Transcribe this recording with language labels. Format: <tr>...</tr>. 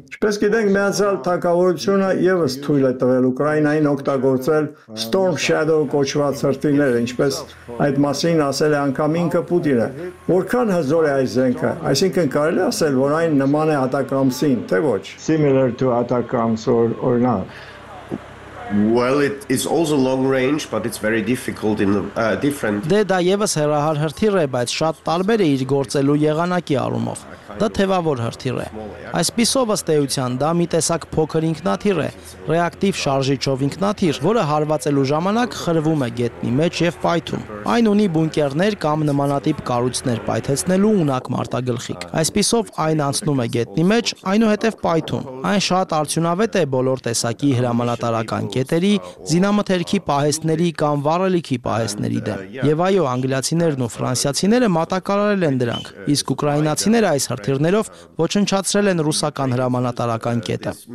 <hy>Չպես գիտենք, Միացյալ Թագավորությունը եւս թույլ է տվել Ուկրաինային օգտագործել Storm Shadow կոչված հրթիռները, ինչպես այդ մասին ասել է անգամ ինքը Պուտինը։ Որքան հզոր է այս զենքը, այսինքն կարելի ասել, որ այն նման է Ատակամսին, թե ոչ։</hy> <en>Similar to Atacams or not? Well, it is also long range, but it's very difficult in the different.</en> <hy>Դե դա եւս հեռահար հրթիռ է, բայց շատ տարբեր է իր գործելու եղանակի առումով։ Դա թևավոր հրթիռ է։ Այսպիսով ըստ էության, դա մի տեսակ փոքր ինքնաթիռ է, ռեակտիվ շարժիչով ինքնաթիռ, որը հարվածելու ժամանակ խրվում է գետնի մեջ եւ փայտում։ Այն ունի բունկերներ կամ նմանատիպ կառույցներ պայթեցնելու ունակ մարտագլխիկ։ Այսպիսով այն անցնում է գետնի մեջ, այնուհետև պայթում։ Այն շատ արդյունավետ է բոլոր տեսակի հրամանատարական կետերի, զինամթերքի պահեստների կամ վառելիքի պահեստների դեմ։ Եվ այո, անգլիացիներն ու ֆրանսիացիները մատակարարել են դրանք, իսկ ուկրաինացիները այս հրթիռներով ոչնչացրել են ռուսական հրամանատարական կետը։</hy>